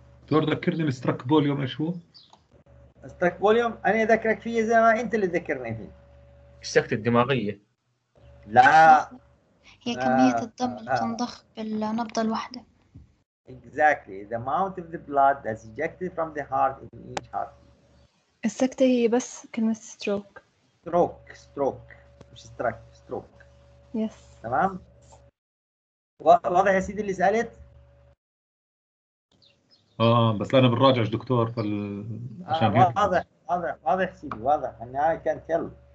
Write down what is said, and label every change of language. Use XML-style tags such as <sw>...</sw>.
<ar>دور ذكرني بالستراك فوليوم ايش هو؟ ستراك فوليوم انا اذكرك فيه زي ما انت اللي ذكرني فيه. السكتة الدماغية. لا هي كمية الدم اللي تنضخ بالنبضة الواحدة.</ar> <en>Exactly. The amount of the blood that's ejected from the heart in each heartbeat.</en> <ar>السكتة هي بس كلمة stroke.</ar> <en>Stroke. Stroke.</en> <ar>مش</ar> <en>stroke. Stroke. Yes.</en> <ar>تمام؟ واضح يا سيدي اللي سألت؟ بس أنا بنراجع دكتور فال... عشان واضح سيدي واضح. أنا</ar> <en>I can't tell.</en>